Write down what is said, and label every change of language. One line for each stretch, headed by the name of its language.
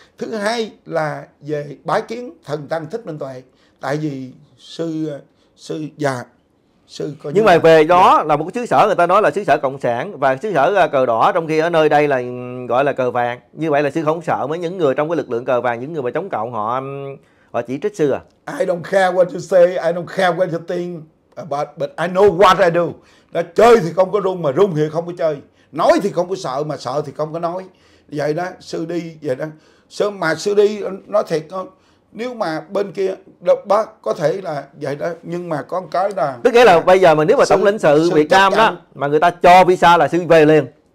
Vietnamese: Thứ hai là về bái kiến thần tăng Thích Minh Tuệ, tại vì sư già sư coi nhưng mà về đó là một xứ sở, người ta nói là xứ sở cộng sản và xứ sở cờ đỏ, trong khi ở nơi đây là gọi là cờ vàng. Như vậy là sư không sợ mấy những người trong cái lực lượng cờ vàng, những người mà chống cộng họ chỉ trích sư à?
English: I don't care what you say, I don't care what you think, but I know what I do.
Vietnamese: Đó, chơi thì không có run mà run thì không có chơi, nói thì không có sợ mà sợ thì không có nói. Vậy đó, sư đi vậy đó. Sư đi nói thiệt đó, nếu mà bên kia đập bác có thể là vậy đó, nhưng mà có một cái là tức nghĩa là bây giờ mà nếu mà tổng lãnh sự Việt Nam đó mà người ta cho visa là sư về liền.